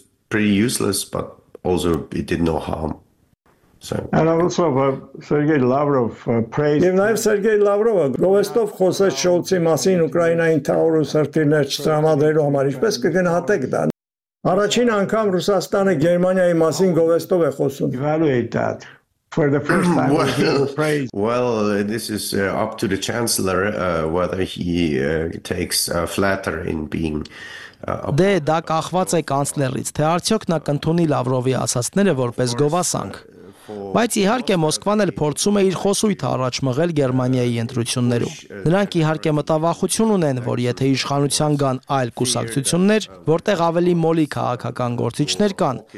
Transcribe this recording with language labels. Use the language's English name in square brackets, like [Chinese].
[English] Pretty useless, but also it did no harm. So. And also, Sergey Lavrov praised. [Armenian] Եվ նաև Սերգեյ Լավրովը գովեստով խոսեց Շոլցի մասին Ուկրաինային Taurus հրթիռներ չտրամադրելու համար, ինչպես կգնահատեք դա։ Առաջին անգամ Ռուսաստանը Գերմանիայի մասին գովեստով է խոսում։ [English] Evaluate that. For the first time, well, this is up to the chancellor whether he takes flatter in being. [Armenian] Դե դա կախված է կանցլերից, թե արդյոք նա կընդունի Լավրովի ասացները որպես գովասանք։ Բայց իհարկե Մոսկվան էլ փորձում է իր խոսույթը առաջ մղել Գերմանիայի ընտրություններում։ Նրանք իհարկե մտավախություն ունեն, որ եթե իշխանության կան այլ կուսակցություններ, որտեղ ավելի մոլի քաղաքական գործիչներ կան,